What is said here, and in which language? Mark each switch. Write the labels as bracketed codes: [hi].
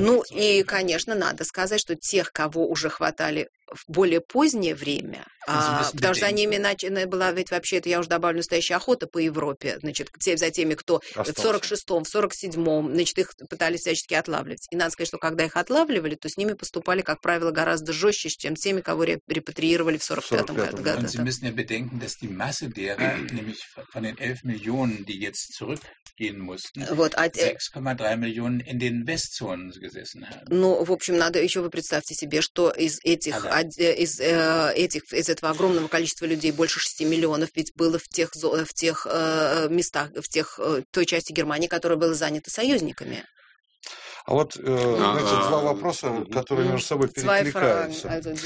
[ru] И, конечно, надо сказать, что тех, кого уже хватали в более позднее время, потому что за ними была ведь вообще-то, я уже добавлю, настоящая охота по Европе, значит, за теми, кто остался. В 46-м, в 47-м, значит, их пытались всячески отлавливать. И надо сказать, что когда их отлавливали, то с ними поступали, как правило, гораздо жестче, чем теми, кого репатриировали в 45-м году. [de] Sie müssen ja bedenken, dass die Masse derer, nämlich von den 11 Millionen, die jetzt zurückgehen mussten, 6,3 Millionen in den Westzonen gesessen haben. [ru] Ну, в общем, надо еще, вы представьте себе, что из этих из этого огромного количества людей, больше 6 миллионов, ведь было в тех местах, в той части Германии, которая была занята союзниками. А вот, значит, два вопроса, которые между собой перекликаются.